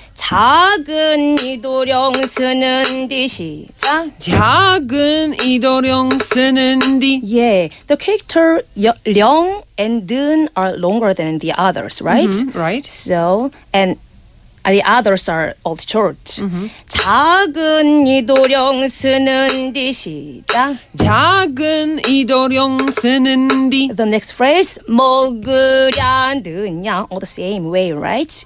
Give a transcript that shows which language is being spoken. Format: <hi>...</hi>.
<ko>작은 이 도령 쓰는 디 시작 작은 이 도령 쓰는 디</ko> <en>Yeah, the character 령 and 는 are longer than the others, right? Mm-hmm, right. So, and the others are all short. Mm-hmm.</en> <ko>작은 이 도령 쓰는 디 시작 작은 이 도령 쓰는 디</ko> <en>The next phrase 먹으랴 느냐 All the same way, right?</en>